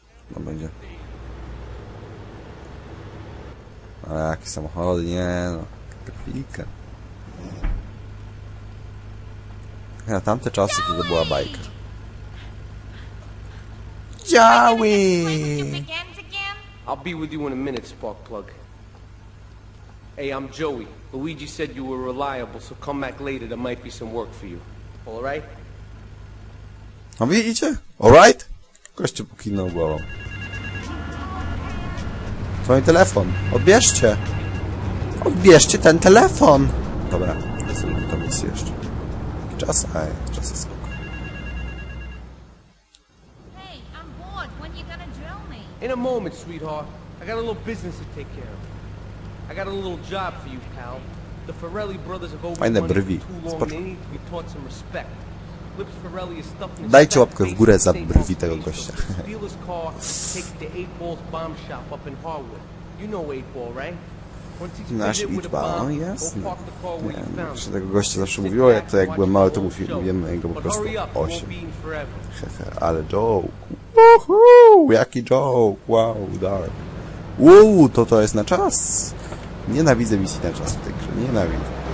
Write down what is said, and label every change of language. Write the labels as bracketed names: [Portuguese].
[Polish] No będzie. A jakie samochody, nie no, grafika. Na tamte czasy to była bajka. [English] Joey! I'll be with you in a minute, spark plug. Hey, I'm Joey. Luigi said you were reliable, so come back later. There might be some work for you. All right? [Polish] A widzicie? [English] All right? [Polish] Ktoś cię pokinął głową. To mój telefon. Odbierzcie. Odbierzcie ten telefon. Dobra, zrobię to misję jeszcze. Czas, aj, czas jest spoko. [English] Hey, I'm bored. When are you gonna drill me? In a moment, sweetheart. I got a little business to take care of. I got a little job for you, pal. The Ferrelli brothers have overrun for too long. They need to be taught some respect. Lips Ferrelli is stuffing. [Polish] Dajcie łapkę w górę za brwi tego gościa. [English] Steal his car and take it to 8 Ball's bomb shop up in Harwood. You know 8 Ball, right? [Polish] Nasz Itba, no jasne. Nie, no, tego gościa zawsze mówiło, ja to jak byłem mały, to mówimy jego po prostu 8. Hehe, ale joke. Woohoo, jaki joke, wow, dark. Uuu, to jest na czas. Nienawidzę misji na czas w tej grze, nienawidzę.